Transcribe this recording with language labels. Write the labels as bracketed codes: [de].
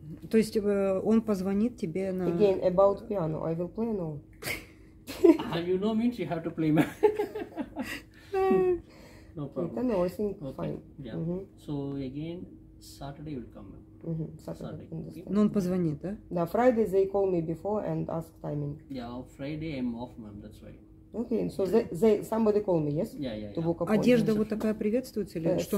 [ru] То есть он позвонит тебе на... [en] Again, about piano. I will play now. You know means you have to play, man. No problem. Then I think fine. Yeah. So again, Saturday will come. Saturday. [ru] Но он позвонит, да? Да, [en] Friday they call me before and ask timing. Yeah, Friday I'm off, ma'am, that's why. Okay, so they somebody call me, yes? Yeah. [ru] Одежда вот такая приветствуется или что?